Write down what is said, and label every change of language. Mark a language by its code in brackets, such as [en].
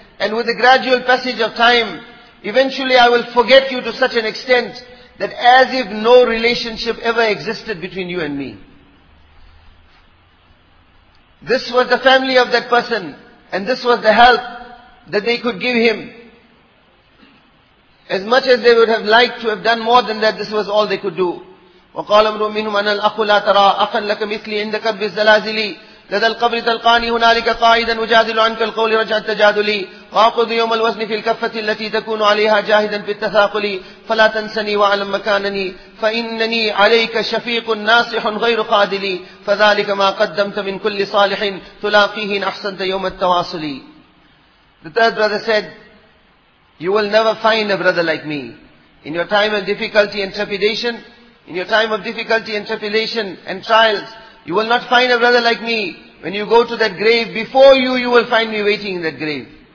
[en] And with the gradual passage of time, eventually I will forget you to such an extent that as if no relationship ever existed between you and me. This was the family of that person and this was the help that they could give him. As much as they would have liked to have done more than that, this was all they could do. [ar] وَقَالَ امْرُؤٌ مِّنْهُمْ أَنَا الْأَخُ لَا تَرَى أَخًا لَكَ مِثْلِي عِنْدَ كَرْبِ الزَّلَازِلِ لدى القبر تلقاني هنالك قائدا أجادل عنك القول رجع التجادلي وأقض يوم الوزن في الكفة التي تكون عليها جاهدا في التثاقل فلا تنسني وأعلم مكانني فإنني عليك شفيق ناصح غير قادلي فذلك ما قدمت من كل صالح تلاقيه إن أحسنت يوم التواصل. [en] The third brother said, you will never find a brother like me. In your time of difficulty and trepidation, in your time of difficulty and trepidation and trials, you will not find a brother like me. When you go to that grave, before you, you will find me waiting in that grave.